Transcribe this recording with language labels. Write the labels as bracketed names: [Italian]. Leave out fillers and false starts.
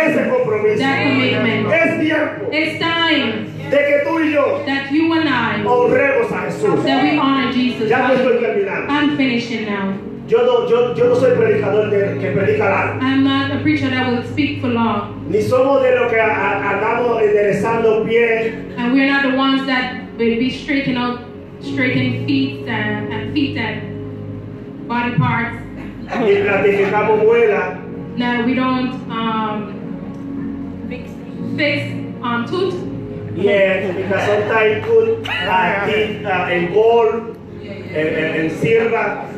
[Spanish] Ese compromiso. [English] That commitment. [Spanish] Es tiempo. [English] It's time. [Spanish] De que tú y yo. [English] That you and I. [Spanish] Honremos a Jesús. [English] That we honor Jesus. [Spanish] Ya me estoy terminando. [English] I'm finishing now. [Spanish] Yo no soy predicador que predica largo. [English] I'm not a preacher that will speak for long. [Spanish] Ni somos de los que andamos enderezando pies. [English] And we're not the ones that will be straightening feet and feet and body parts. [Spanish] Y platicamos muela. [English] No, we don't fix tooth. Yeah, because sometimes tooth in gold, in silver.